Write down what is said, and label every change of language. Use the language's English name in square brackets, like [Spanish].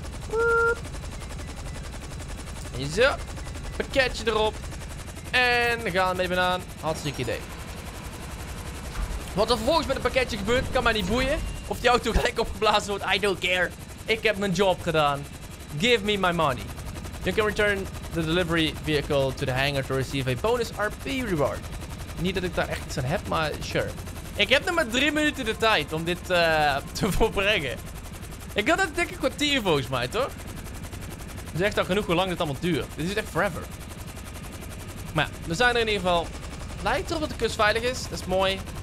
[Dutch] Boop. Zo. Pakketje erop. En we gaan mee aan. Hartstikke idee. Wat er vervolgens met het pakketje gebeurt, kan mij niet boeien. Of die auto gelijk opgeblazen wordt, [English] I don't care. [Dutch] Ik heb mijn job gedaan. [English] Give me my money. You can return the delivery vehicle to the hangar to receive a bonus RP reward. [Dutch] Niet dat ik daar echt iets aan heb, maar sure. Ik heb nog maar 3 minuten de tijd om dit te volbrengen. Ik had het denk ik een kwartier volgens mij, toch? Het is echt al genoeg hoe lang dit allemaal duurt. Dit is echt forever. Maar ja, we zijn er in ieder geval. Lijkt erop dat de kust veilig is. Dat is mooi.